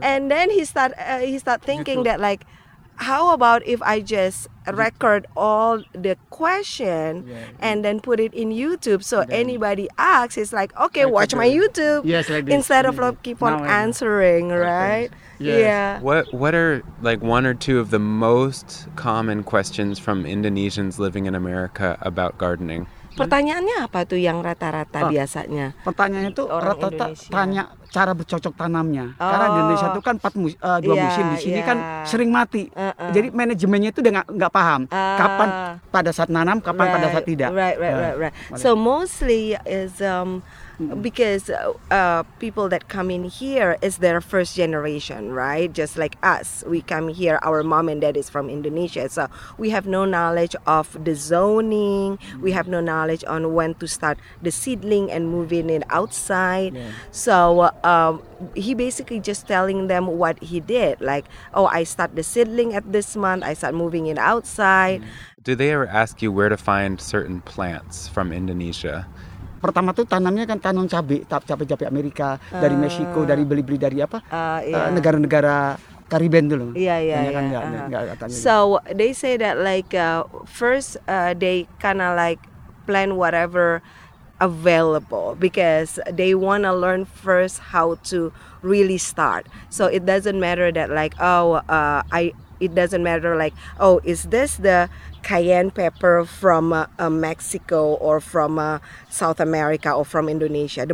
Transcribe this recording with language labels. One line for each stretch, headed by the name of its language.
English: And then he start thinking that like, how about if I just record all the question, yeah, and then put it in YouTube so then anybody asks, it's like, okay, like watch my YouTube. Yes, like instead of like keep on answering, right? Yes. Yeah. What are like one or two of the most common questions from Indonesians living in America about gardening?
Indonesian: Pertanyaannya apa tuh yang rata-rata biasanya? Pertanyaannya tuh rata-rata tanya cara bercocok tanamnya. Oh. Karena di Indonesia tuh kan 2 musim di sini kan sering mati. Jadi manajemennya tuh enggak paham. Kapan pada saat nanam, kapan pada saat tidak.
English: Right. So mostly is because people that come in here is their first generation, right? Just like us, we come here, our mom and dad is from Indonesia, so we have no knowledge of the zoning, we have no knowledge on when to start the seedling and moving it outside, yeah. So he basically just telling them what he did, like, oh, I start the seedling at this month, I start moving it outside. Do they ever ask you where to find certain plants from Indonesia?
Indonesian: Pertama tuh tanamnya kan tanam cabai Amerika, dari Meksiko, dari beli-beli dari apa, negara-negara Caribbean dulu.
English: So they say that like first they kind of like plan whatever available because they want to learn first how to really start. So it doesn't matter that like, it doesn't matter like, oh, is this the cayenne pepper from Mexico or from South America or from Indonesia?